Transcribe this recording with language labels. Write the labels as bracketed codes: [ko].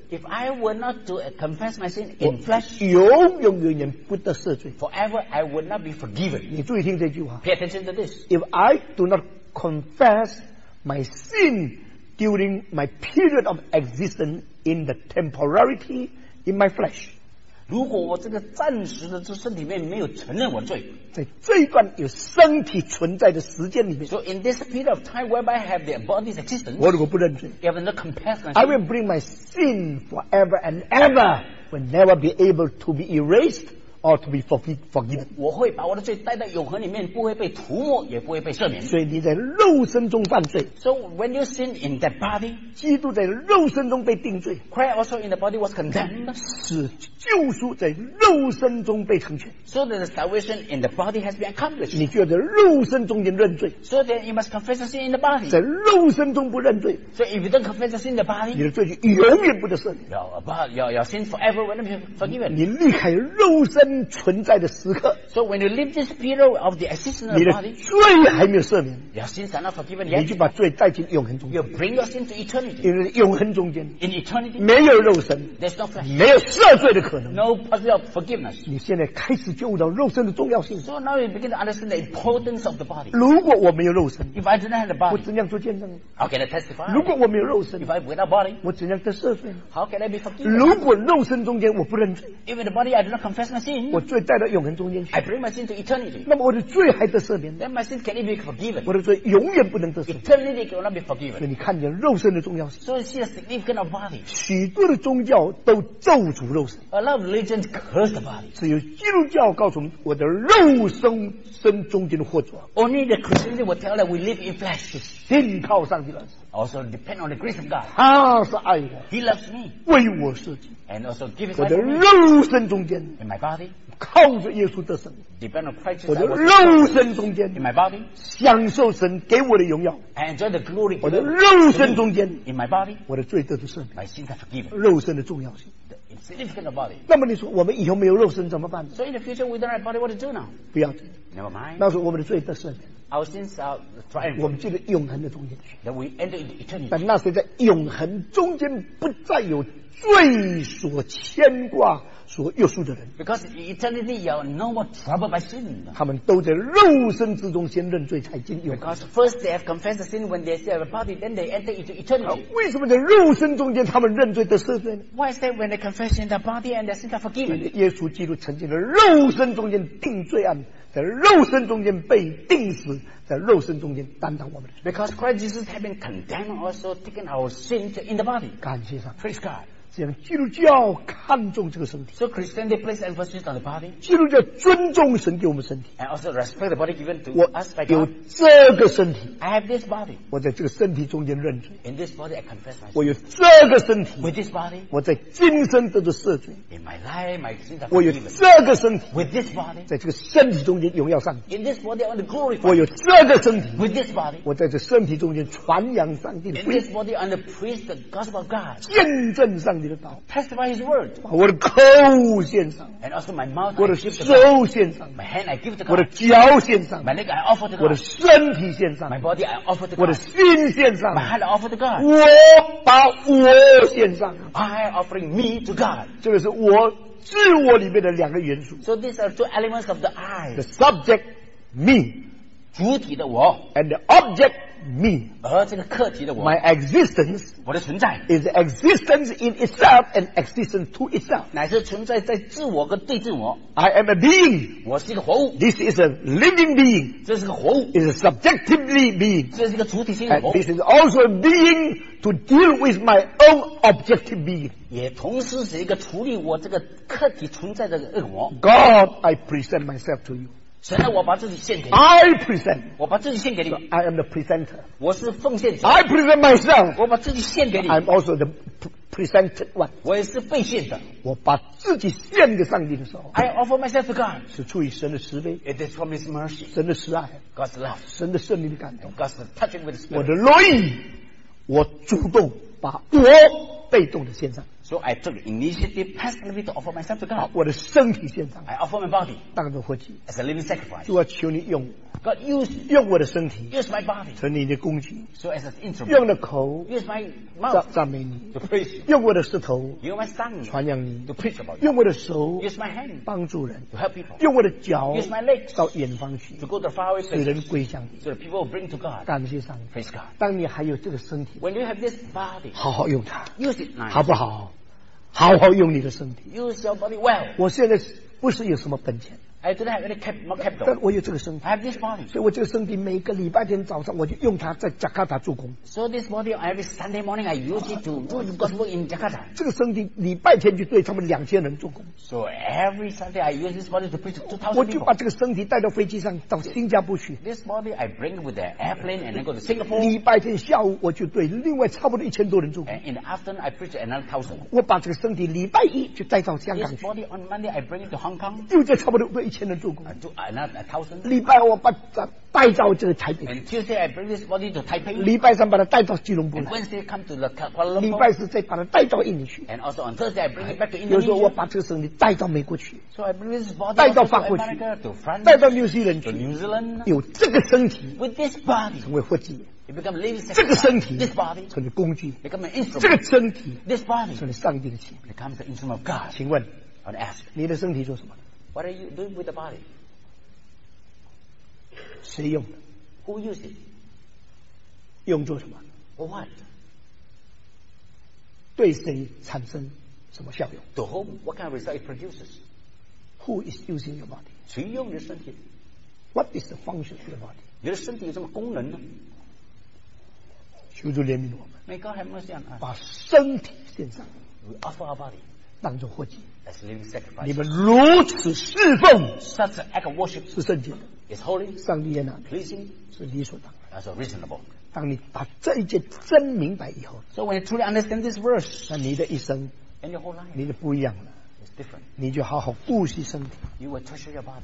[en] If I were not to confess my sin in flesh [zh] 永永远远不得赦罪 [en] Forever I would not be forgiven [zh] 你注意听这句话 [en] Pay attention to this If I do not confess my sin during my period of existence in the temporality in my flesh [zh] 如果我这个暂时的这身体里面没有承认我罪，在这一段有身体存在的时间里面， [en] so in this period of time whereby I have the body's existence， [zh] 我如果不认罪， [en] have no compassion， I will bring my sin forever and ever， will never be able to be erased or to be forgiven。 [zh] 我会把我的罪带到永恒里面，不会被涂抹，也不会被赦免。所以你在肉身中犯罪， [en] so when you sin in that body， [zh] 基督在肉身中被定罪， [en] Christ also in the body was condemned， [zh] 使救赎在肉身中被成全， [en] so that the salvation in the body has been accomplished。 [zh] 你就在肉身中间认罪， [en] so that you must confess sin in the body， [zh] 在肉身中不认罪， [en] so if you don't confess sin in the body， [zh] 你的罪就永远不得赦免， [en] your sin forever will be forgiven。 [zh] 你离开肉身存在的时刻， [en] so when you leave this period of the existence of body， [zh] 你的罪还没有赦免， [en] your sins are not forgiven yet， [zh] 你就把罪带进永恒中间， [en] you bring your sin to eternity， [zh] 因为永恒中间 [en] in eternity [zh] 没有肉身， [en] there's no flesh， [zh] 没有赦罪的可能， [en] no possibility of forgiveness。 [zh] 你现在开始就悟到肉身的重要性， [en] so now you begin to understand the importance of the body。 [zh] 如果我没有肉身， [en] if I didn't have the body， [zh] 我怎样做见证？ [en] how can I testify？ [zh] 如果我没有肉身， [en] if I without body， [zh] 我怎样得赦罪？ [en] how can I be forgiven？ [zh] 如果肉身中间我不认罪， [en] if in the body I do not confess my sin， [zh] 我罪带到永恒中间去， [en] I bring my sin to eternity， [zh] 那么我的罪还得赦免， [en] then my sin can be forgiven， [zh] 我的罪永远不能得赦免， [en] eternity cannot be forgiven。 [zh] 所以你看见肉身的重要性， [en] so you see the significance of body。 [zh] 许多的宗教都咒诅肉身， [en] a lot of religions curse the body。 [zh] 只有基督教告诉我们，我的肉身身中间的祸主， [en] only the Christianity will tell that we live in flesh， [zh] 是信靠上帝的事， [en] also depend on the grace of God， [zh] 他是爱我， [en] he loves me， [zh] 为我设计， [en] and also give his [zh] life， 我的肉身中间， [en] in my body， [zh] 靠着耶稣得胜， [en] depend on Christ， [zh] 我的肉身中间， [en] in my body， [zh] 享受神给我的荣耀， [en] and enjoy the glory， [zh] 我的肉身中间， [en] in my body， [zh] 我的罪得的赦免， [en] my sins are forgiven， [zh] 肉身的重要性。那么你说我们以后没有肉身怎么办？ [en] So in the future without our body what to do now？ [zh] 不要紧， [en] never mind， [zh] 那时候我们的罪得赦免， [en] our sins are triumphed， [zh] 我们进入永恒的中间， [en] that we enter into eternity。 [zh] 但那时在永恒中间不再有罪所牵挂所约束的人， [en] because in eternity you are no more troubled by sin， [zh] 他们都在肉身之中先认罪才进永恒， [en] because first they have confessed sin when they still have a body then they enter into eternity。 [zh] 为什么在肉身中间他们认罪得赦免？ [en] why is that when they confess in the body and their sins are forgiven？ [zh] 因为耶稣基督曾经在肉身中间定罪案，在肉身中间被钉死，在肉身中间担当我们的罪， [en] because Christ Jesus has been condemned also taken our sins in the body。 [zh] 感谢上帝， [en] praise God。 [zh] 这样基督教看重这个身体， [en] so Christianity place emphasis on the body， [zh] 基督教尊重神给我们身体， [en] and also respect the body given to us by [zh] God。 我有这个身体， [en] I have this body， [zh] 我在这个身体中间认罪， [en] in this body I confess my sin。 [zh] 我有这个身体， [en] with this body， [zh] 我在今生得着赦罪， [en] in my life my sins are forgiven。 [zh] 我有这个身体， [en] with this body， [zh] 在这个身体中间荣耀上帝， [en] in this body I want to glory God。 [zh] 我有这个身体， [en] with this body， [zh] 我在这身体中间传扬上帝的福音， [en] in this body I want to preach the gospel of God， [zh] 见证上帝， [en] testify his word。 [zh] 我的口献上， [en] and also my mouth， [zh] 我的手献上， [en] my hand I give to God， [zh] 我的脚献上， [en] my leg I offer to God， [zh] 我的身体献上， [en] my body I offer to God， [zh] 我的心献上， [en] my heart I offer to God， [zh] 我把我献上， [en] I offering me to God。 [zh] 这个是我自我里面的两个元素， [en] so these are two elements of the I， the subject me， [zh] 主体的我， [en] and the object me， [zh] 而这个课题的我， [en] my existence， [zh] 我的存在， [en] is existence in itself and existence to itself， [zh] 乃是存在在自我跟对自我。 [en] I am a being， [zh] 我是一个活物。 [en] This is a living being， [zh] 这是个活物。 [en] Is a subjectively being， [zh] 这是一个主体性的活物。 [en] This is also a being to deal with my own objective being， [zh] 也同时是一个处理我这个课题存在的恶魔。 [en] God， I present myself to you， [zh] 神啊，我把自己献给你。 [en] I present， [zh] 我把自己献给你。 [en] So、I am the presenter， [zh] 我是奉献者。 [en] I present myself， [zh] 我把自己献给你。 [en] I'm also the presented one， [zh] 我也是被献的。我把自己献给上帝的时候 [en] ，I offer myself to God， [zh] 是出于神的慈悲。 [en] It is from His mercy， [zh] 神的慈爱。 [en] God's love， [zh] 神的圣灵的感动。 [en] God's touching with the Spirit， [zh] 我的乐意，我主动把我被动的献上。 [en] So I took initiative personally to offer myself to God。 [zh] 我的身体献上， [en] I offer my body [zh] 当作活祭， [en] as a living sacrifice。 [zh] 主啊，求你用我， [en] God use， [zh] 用我的身体， [en] use my body [zh] 成你的工具， [en] so as an instrument， [zh] 用的口， [en] use my mouth [zh] 赞美你， [en] to praise you， [zh] 用我的舌头， [en] use my tongue [zh] 传扬你， [en] to preach about you， [zh] 用我的手， [en] use my hand [zh] 帮助人， [en] to help people， [zh] 用我的脚， [en] use my legs [zh] 到远方去， [en] to go to far away places， [zh] 使人归向你， [en] so that people will bring to God。 [zh] 感谢上帝， [en] praise God。 [zh] 当你还有这个身体， [en] when you have this body， [zh] 好好用它， [en] use it nice， [zh] 好不好？好好用你的身体。 [en] Use your body well. [zh] 我现在不是有什么本钱。 [en] I don't have any capital. [zh] 但我有这个身体。 [en] I have this body. [zh] 所以我这个身体每个礼拜天早上我就用它在加卡塔做工。 [en] So this body, every Sunday morning, I use it to do God's work in Jakarta. [zh] 这个身体礼拜天就对他们2000人做工。 [en] So every Sunday, I use this body to preach to 2000 people. [zh] 我就把这个身体带到飞机上到新加坡去。 [en] This body, I bring with the airplane and then go to Singapore. [zh] 礼拜天下午我就对另外差不多1000多人做工。 [en] And in the afternoon, I preach another 1000. [zh] 我把这个身体礼拜一就带到香港去。 [en] This body on Monday, I bring it to Hong Kong. [zh] 又在差不多一千人做工，就1000。礼拜我把它带到这个台北。 [en] And Tuesday I bring this body to Taipei. [zh] 礼拜三把它带到吉隆坡。 [en] And Wednesday come to the Kuala Lumpur. [zh] 礼拜四再把它带到印尼去。 [en] And also on Thursday I bring it back to Indonesia. [zh] 有时候我把这个身体带到美国去。 [en] So I bring this body [zh] 带到法国去。 [en] To France, [zh] 带到 New Zealand 去。 [en] To New Zealand. [zh] 有这个身体 [en] ，with this body [zh] 成为活祭。 [en] You become a living [zh] sacrifice. 这个身体 [en] this body [zh] 成为工具。 [en] Become an instrument. [zh] 这个身体 [en] this body [zh] 成为上帝的器。 [en] Become the instrument of God. [zh] 请问 [en] ，I ask [zh] 你的身体做什么？ [en] What are you doing with the body? [zh] 谁用的 [en] ？Who use it? [zh] 用做什么 [en] ？For what? [zh] 对谁产生什么效用 [en] ？To whom? What kind of result it produces? Who is using your body? [zh] 谁用你的身体 [en] ？What is the function of the body? [zh] 你的身体有什么功能呢？求主怜悯我们。 [en] May God have mercy on us. [zh] 把身体献上。 [en] We offer our body. [zh] 当作活祭。 [en] As living sacrifice. [zh] 你们如此侍奉 [en] Such an act of worship [zh] 是圣洁的 [en] is holy [zh] 上帝也纳 [en] pleasing [zh] 是理所当然 [en] as a reasonable [zh] 当你把这一节真明白以后 [en] So when you truly understand this verse [zh] 那你的一生 [en] and your whole life [zh] 你的不一样了 [en] it's different [zh] 你就好好顾惜身体 [en] you will treasure your body